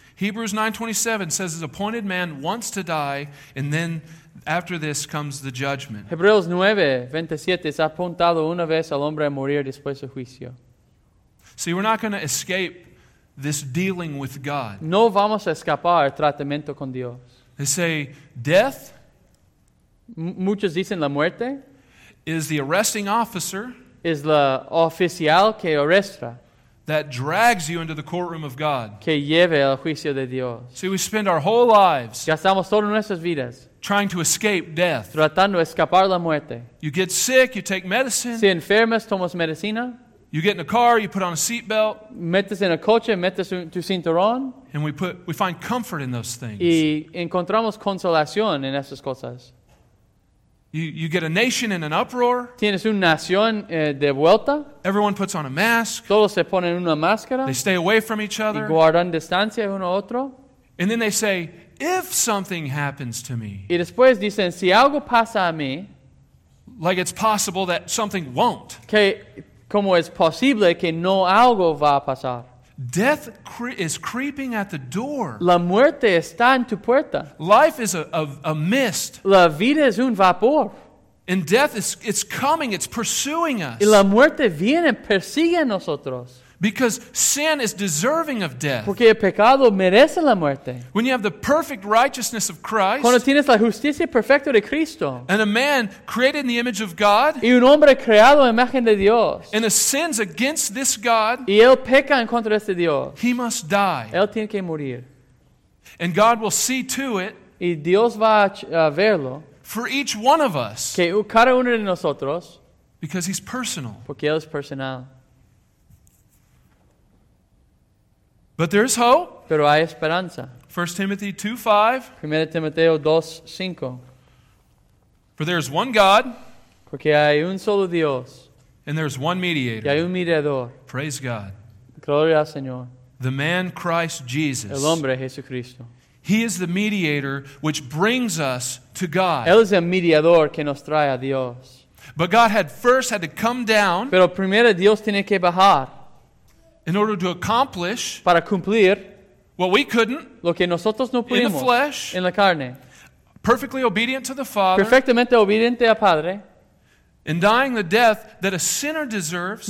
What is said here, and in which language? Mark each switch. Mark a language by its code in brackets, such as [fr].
[en] Hebrews 9:27 says his appointed man wants to die, and then after this comes the judgment. [es] Hebreos 9:27 es apuntado una vez al hombre a morir después del juicio. [en] See, we're not going to escape this dealing with God. [es] No vamos a escapar el tratamiento con Dios. [en] They say death. [es] Muchos dicen la muerte. [en] Is the arresting officer. [es] Es la oficial que arresta. [en] That drags you into the courtroom of God. [es] Que lleve al juicio de Dios. [en] See, we spend our whole lives [es] gastamos todas nuestras vidas [en] trying to escape death. [es] Tratando de escapar la muerte. [en] You get sick, you take medicine. [es] Si enfermas, tomas medicina. [en] You get in a car, you put on a seatbelt. [es] Metes en el coche, metes tu cinturón. [en] And we find comfort in those things. [es] Y encontramos consolación en esas cosas. [en] You get a nation in an uproar. [es] Tienes una nación de vuelta. [en] Everyone puts on a mask. [es] Todos se ponen una máscara. [en] They stay away from each other. [es] Y guardan distancia uno a otro. [en] And then they say, if something happens to me. [es] Y después dicen, si algo pasa a mí. [en] Like it's possible that something won't. [es] Que como es posible que no algo va a pasar. [en] Death is creeping at the door. [es] La muerte está en tu puerta. [en] Life is a mist. [es] La vida es un vapor. [en] And death it's coming, it's pursuing us. [es] Y la muerte viene, persigue a nosotros. [en] Because sin is deserving of death. [es] Porque el pecado merece la muerte. [en] When you have the perfect righteousness of Christ. [es] Cuando tienes la justicia perfecta de Cristo. [en] And a man created in the image of God. [es] Y un hombre creado en imagen de Dios. [en] And sins against this God. [es] Y él peca en contra de este Dios. [en] He must die. [es] Él tiene que morir. [en] And God will see to it. [es] Y Dios va a verlo. [en] For each one of us. [es] Que cada uno de nosotros. [en] Because he's personal. [es] Porque él es personal. [en] But there is hope. [es] Pero hay esperanza. [en] 1 Timothy 2:5. [es] 1 Timoteo 2:5. [en] For there is one God. [es] Porque hay un solo Dios. [en] And there is one mediator. [es] Y hay un mediador. [en] Praise God. [es] Gloria al Señor. [en] The man Christ Jesus. [es] El hombre Jesucristo. [en] He is the mediator which brings us to God. [es] Él es el mediador que nos trae a Dios. [en] But God had first had to come down. [es] Pero primero Dios tiene que bajar. [en] In order to accomplish [es] para cumplir [en] what we couldn't [es] lo que nosotros no pudimos [en] in the flesh [es] en la carne, [en] perfectly obedient to the Father [es] perfectamente obediente al Padre [en] in dying the death that a sinner deserves